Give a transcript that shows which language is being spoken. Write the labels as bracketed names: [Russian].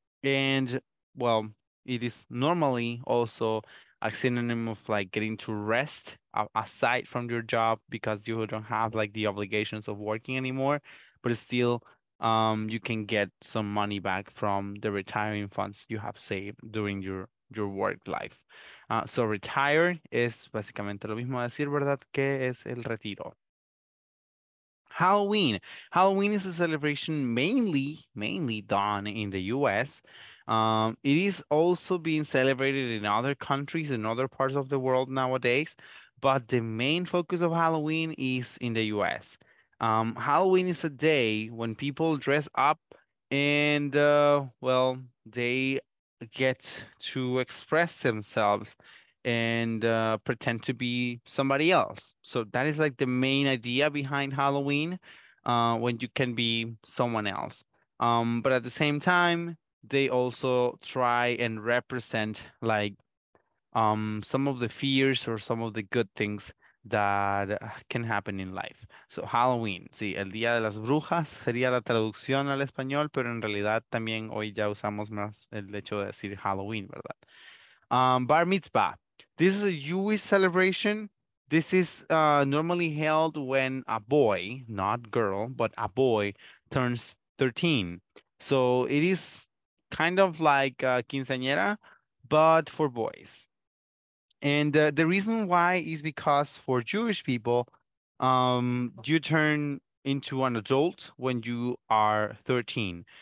[English] And well, it is normally also a synonym of like getting to rest aside from your job because you don't have like the obligations of working anymore, but it's still you can get some money back from the retiring funds you have saved during your work life. [Spanish] So retire is básicamente lo mismo decir, ¿verdad?, que es el retiro. [English] Halloween. Halloween is a celebration mainly done in the U.S. It is also being celebrated in other countries, in other parts of the world nowadays, but the main focus of Halloween is in the U.S., Halloween is a day when people dress up and, well, they get to express themselves and pretend to be somebody else. So that is like the main idea behind Halloween, when you can be someone else. But at the same time, they also try and represent like some of the fears or some of the good things that can happen in life. [Spanish] So Halloween, sí, el día de las brujas sería la traducción al español, pero en realidad también hoy ya usamos más el hecho de decir Halloween, ¿verdad? [English] Bar mitzvah. This is a Jewish celebration. This is normally held when a boy, not girl, but a boy turns 13. So it is kind of like a quinceañera, but for boys. And the reason why is because for Jewish people, you turn into an adult when you are 13.